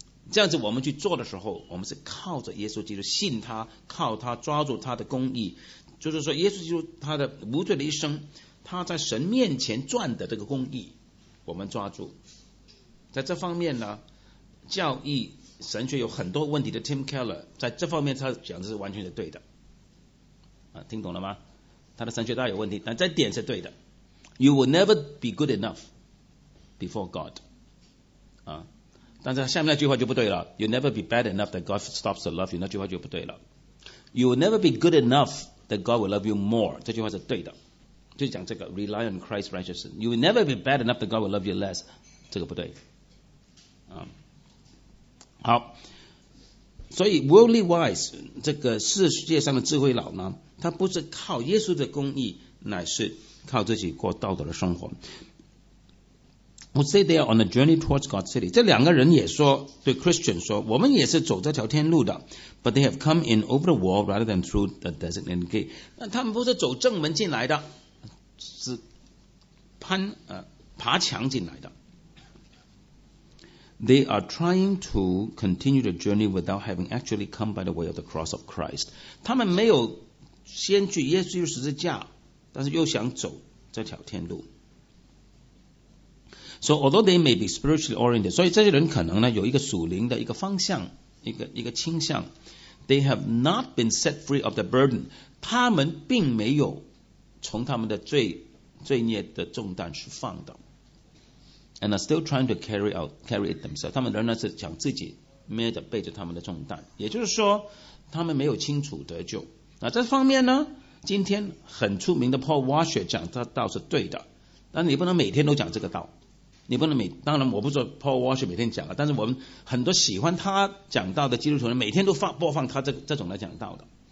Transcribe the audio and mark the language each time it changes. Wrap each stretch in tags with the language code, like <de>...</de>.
<zh>这样子我们去做的时候，我们是靠着耶稣基督，信他，靠他，抓住他的公义，就是说耶稣基督他的无罪的一生，他在神面前赚的这个公义我们抓住。在这方面呢，教义神学有很多问题的 Tim Keller 在这方面他讲的是完全的对的、啊、听懂了吗？他的神学大有问题，但这点是对的。</zh> <en>You will never be good enough before God、啊、</en> <zh>但是下面那句话就不对了。</zh> <en>You'll never be bad enough that God stops to love you，</en> <zh>那句话就不对了。</zh> <en>You will never be good enough that God will love you more，</en> <zh>这句话是对的，就讲这个</zh> <en>Rely on Christ's righteousness。 You will never be bad enough that God will love you less，</en> <zh>这个不对、啊、好。所以 worldly wise 这个世界上的智慧老呢，他不是靠耶稣的公义，乃是靠自己过道德的生活。</zh> <en>We'll say they are on a journey towards God's city。</en> <zh>这两个人也说，对 Christian 说，我们也是走这条天路的。</zh> <en>But they have come in over the wall rather than through the designated gate。</en> <zh>那他们不是走正门进来的，是爬墙进来的。</zh> <en>They are trying to continue the journey without having actually come by the way of the cross of Christ。</en> <zh>他们没有先去耶稣十字架，但是又想走这条天路。</zh> <en>So although they may be spiritually oriented，</en> <zh>所以这些人可能呢有一个属灵的一个方向，一个倾向。</zh> <en>They have not been set free of the burden，</en> <zh>他们并没有从他们的罪孽的重担释放的。</zh> <en>And are still trying to carry it themselves，</en> <zh>他们仍然是想自己捏着背着他们的重担，也就是说他们没有清楚得救。那这方面呢，今天很出名的 Paul Washer 讲这道是对的，但你不能每天都讲这个道，你不能当然我不说 Paul Washer 每天讲了，但是我们很多喜欢他讲道的基督徒每天都播放他 这种来讲道的。</zh>